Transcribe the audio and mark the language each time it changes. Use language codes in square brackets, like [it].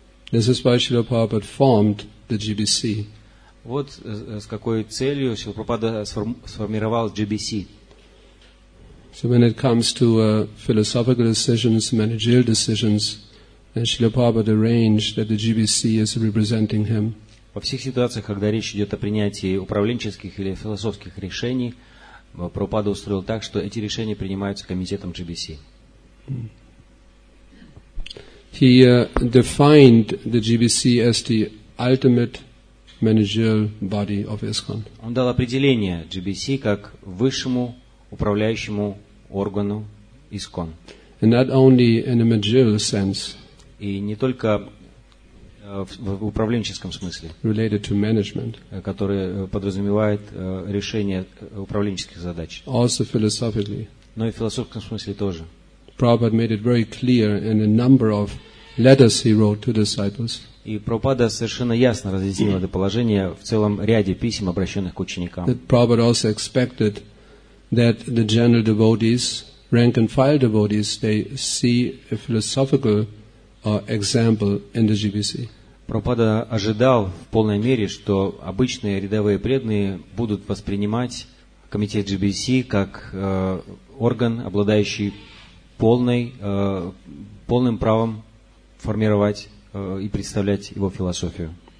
[en] This is why Śrīla Prabhupāda formed the GBC. [ru] Вот с какой целью Śrīla Prabhupāda сформировал GBC. [en] So when it comes to philosophical decisions, managerial decisions, then Śrīla Prabhupāda arranged that the GBC is representing him. [ru] Во всех ситуациях, когда речь идет о принятии управленческих или философских решений, Прабхупада устроил так, что эти решения принимаются комитетом GBC. [en] He defined the GBC as the ultimate managerial body of ISKCON. [ru] Он дал определение GBC как высшему управляющему органу ISKCON. [en] And not only in a managerial sense. [ru] И не только в управленческом смысле, [en] related to management, [ru] который подразумевает решение управленческих задач, [en] also philosophically, [ru] но и в философском смысле тоже. [en] Prabhupada made it very clear in a number of letters he wrote to disciples. [ru] И Прабхупада совершенно ясно разъяснил это положение в целом ряде писем, обращенных к ученикам. [en] That Prabhupada also expected that the general devotees, rank and file devotees, they see a philosophical example in the GBC. [ru] Прабхупада ожидал в полной мере, что обычные рядовые преданные будут воспринимать комитет GBC как орган, обладающий полным правом формировать и представлять его философию.